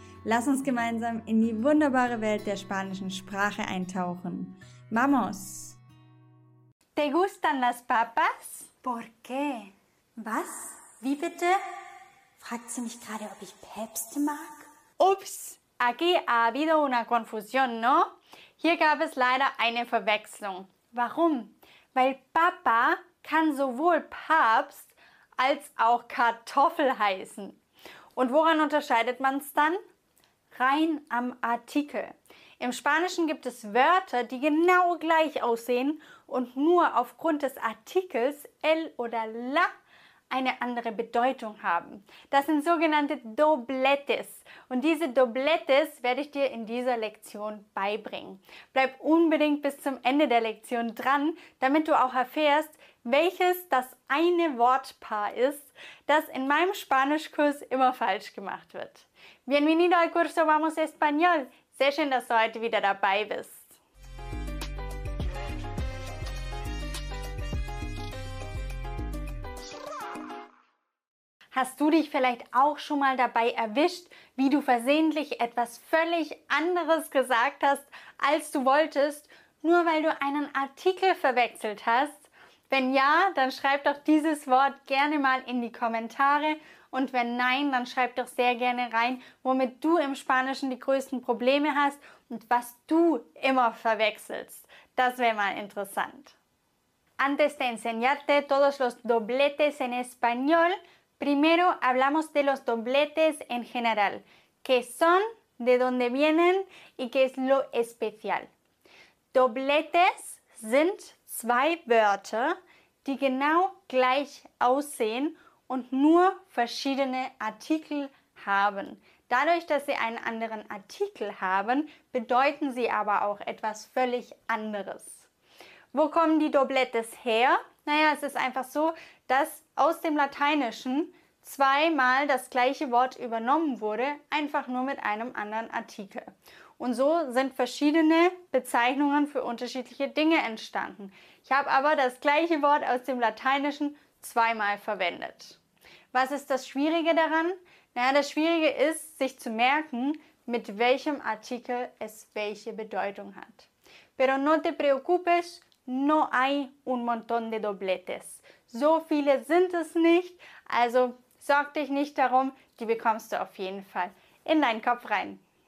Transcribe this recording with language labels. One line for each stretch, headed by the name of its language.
German: Lass uns gemeinsam in die wunderbare Welt der spanischen Sprache eintauchen.
Spanish: ¡Vamos! ¿Te gustan las papas? ¿Por qué?
German: Was? Wie bitte? Fragt sie mich gerade, ob ich Päpste mag? Ups!
Spanish: Aquí ha habido una confusión, ¿no?
German: Hier gab es leider eine Verwechslung. Warum? Weil Papa kann sowohl Papst als auch Kartoffel heißen. Und woran unterscheidet man es dann? Rein am Artikel. Im Spanischen gibt es Wörter, die genau gleich aussehen und nur aufgrund des Artikels el oder la eine andere Bedeutung haben. Das sind sogenannte dobletes. Und diese dobletes werde ich dir in dieser Lektion beibringen. Bleib unbedingt bis zum Ende der Lektion dran, damit du auch erfährst, welches das eine Wortpaar ist, das in meinem Spanischkurs immer falsch gemacht wird.
Spanish: Bienvenido al curso Vamos Español.
German: Sehr schön, dass du heute wieder dabei bist. Hast du dich vielleicht auch schon mal dabei erwischt, wie du versehentlich etwas völlig anderes gesagt hast, als du wolltest, nur weil du einen Artikel verwechselt hast? Wenn ja, dann schreib doch dieses Wort gerne mal in die Kommentare. Und wenn nein, dann schreib doch sehr gerne rein, womit du im Spanischen die größten Probleme hast und was du immer verwechselst. Das wäre mal interessant.
Spanish: Antes de enseñarte todos los dobletes en español, primero hablamos de los dobletes en general, qué son, de dónde vienen y qué es lo especial.
German: Dobletes sind zwei Wörter, die genau gleich aussehen und nur verschiedene Artikel haben. Dadurch, dass sie einen anderen Artikel haben, bedeuten sie aber auch etwas völlig anderes. Wo kommen die Dobletes her? Naja, es ist einfach so, dass aus dem Lateinischen zweimal das gleiche Wort übernommen wurde, einfach nur mit einem anderen Artikel. Und so sind verschiedene Bezeichnungen für unterschiedliche Dinge entstanden. Ich habe aber das gleiche Wort aus dem Lateinischen zweimal verwendet. Was ist das Schwierige daran? Naja, das Schwierige ist, sich zu merken, mit welchem Artikel es welche Bedeutung hat.
Spanish: Pero no te preocupes, no hay un montón de dobletes.
German: So viele sind es nicht, also sorg dich nicht darum, die bekommst du auf jeden Fall in deinen Kopf rein.